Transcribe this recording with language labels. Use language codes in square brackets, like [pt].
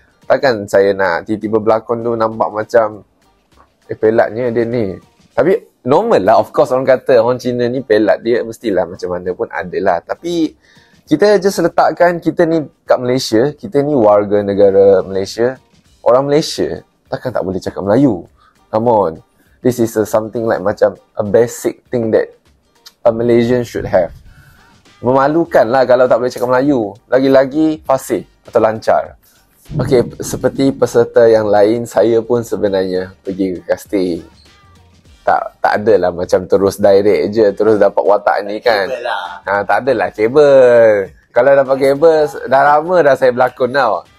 [ms] Takkan saya nak tiba-tiba berlakon tu nampak macam pelatnya dia ni. Tapi normal lah, [en] of course [ms] orang kata orang Cina ni pelat dia, mestilah macam mana pun adalah. Tapi kita just letakkan kita ni kat Malaysia, kita ni warga negara Malaysia. Orang Malaysia takkan tak boleh cakap Melayu. [en] Come on, this is a something like macam a basic thing that a Malaysian should have. [ms] Memalukan lah kalau tak boleh cakap Melayu, lagi-lagi fasih atau lancar. Okay, seperti peserta yang lain, saya pun sebenarnya pergi ke casting. Tak adalah macam terus direct je, terus dapat watak ni kan. Lah. Ha, tak adalah kabel. Kalau dapat kabel, dah lama dah saya berlakon tau.